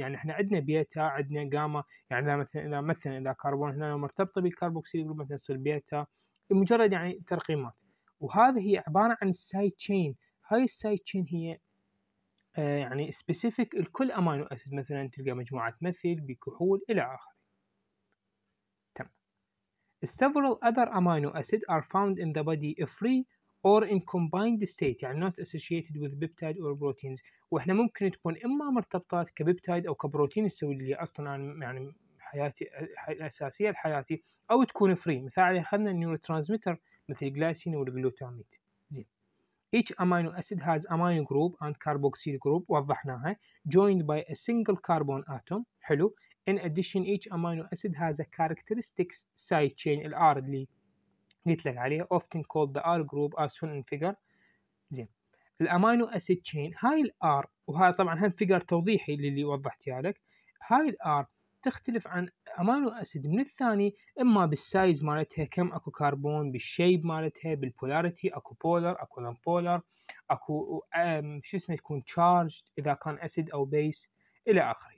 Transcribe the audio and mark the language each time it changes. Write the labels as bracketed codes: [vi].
[ar] يعني احنا عندنا بيتا عندنا جاما، يعني مثلا اذا كربون هنا مرتبطه بالكاربوكسيل جروب مثلا يصير بيتا، مجرد يعني ترقيمات. وهذه هي عباره عن السايد تشين، هاي السايد تشين هي يعني سبيسيفيك لكل امينو اسيد، مثلا تلقى مجموعه مثيل بكحول الى اخره. [en] Several other amino acids are found in the body free or in combined state, يعني not associated with peptide or proteins. [ar] وإحنا ممكن تكون إما مرتبطات كبيبتايد أو كبروتين السوي اللي أصلاً يعني حياتي الأساسية لحياتي، أو تكون free. مثلاً أخذنا النيوروترانسميتر مثل الجلايسين والجلوتاميت. زين. [en] Each amino acid has amino group and carboxyl group. [ar] وضحناها. [en] Joined by a single carbon atom. [ar] حلو. [en] In addition, each amino acid has a characteristic side chain, R [ar] اللي قلت لك عليها, [en] often called the R group as shown in figure. [ar] زين. الأمينو أسيد chain, هاي ال R, وهذا طبعا هم figure توضيحي للي وضحتها لك, هاي ال R تختلف عن أمينو أسيد من الثاني, إما بالسايز مالتها, كم أكو كربون, بالشيب مالتها, بالبولاريتي, أكو بولر, أكو نون بولر, أكو شو اسمه يكون charged, إذا كان أسيد أو بيس, الى اخره.